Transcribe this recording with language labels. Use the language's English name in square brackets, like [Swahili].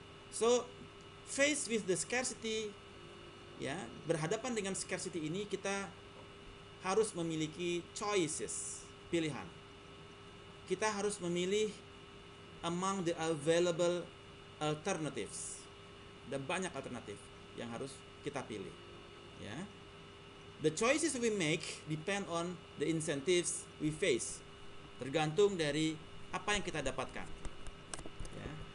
[English] So faced with the scarcity, [Indonesian] ya, berhadapan dengan scarcity ini kita harus memiliki choices, pilihan. Kita harus memilih [English] among the available alternatives. [Indonesian] Ada banyak alternatif yang harus kita pilih, ya. [English] The choices we make depend on the incentives we face. [Indonesian] Tergantung dari apa yang kita dapatkan, ya.